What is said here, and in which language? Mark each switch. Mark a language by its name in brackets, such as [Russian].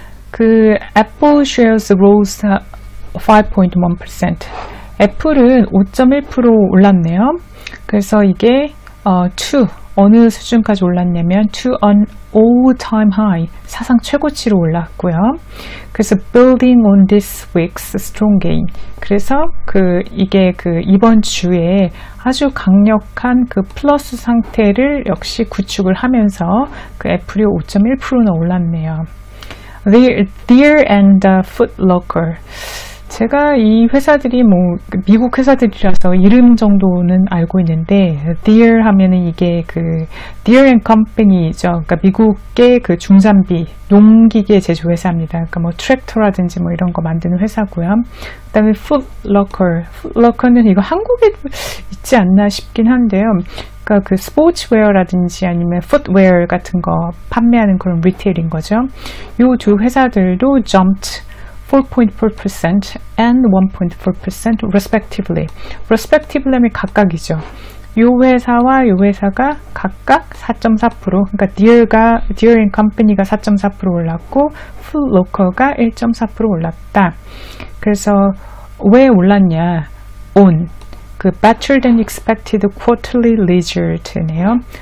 [English] 그 애플 shares rose 5.1%. [Korean] 애플은 5.1% 올랐네요. 그래서 이게 어느 수준까지 올랐냐면 [English] to an all-time high [Korean] 사상 최고치로 올랐고요. [English] 그래서 building on this week's strong gain. [Korean] 그래서 그 이게 그 이번 주에 아주 강력한 그 플러스 상태를 역시 구축을 하면서 그 애플이 5.1%나 올랐네요. [English] Deer and Footlocker. [Korean] 제가 이 회사들이 뭐 미국 회사들이라서 이름 정도는 알고 있는데 Deer 하면은 이게 그 Deer and Company죠. 그러니까 미국의 그 중산비 농기계 제조 회사입니다. 그러니까 뭐 트랙터라든지 뭐 이런 거 만드는 회사고요. 그다음에 Footlocker는 이거 한국에 있지 않나 싶긴 한데요. 그러니까 그 스포츠웨어라든지 아니면 풋웨어 같은 거 판매하는 그런 리테일인 거죠. 요두 회사들도 [English] jumped 4.4% and 1.4% respectively. [Korean] respectively는 각각이죠. 이 회사와 이 회사가 각각 4.4%, 그러니까 Deere and Company가 4.4% 올랐고, Footlocker가 1.4% 올랐다. 그래서 왜 올랐냐? On 그 [English] better than expected quarterly result [Korean] 네요.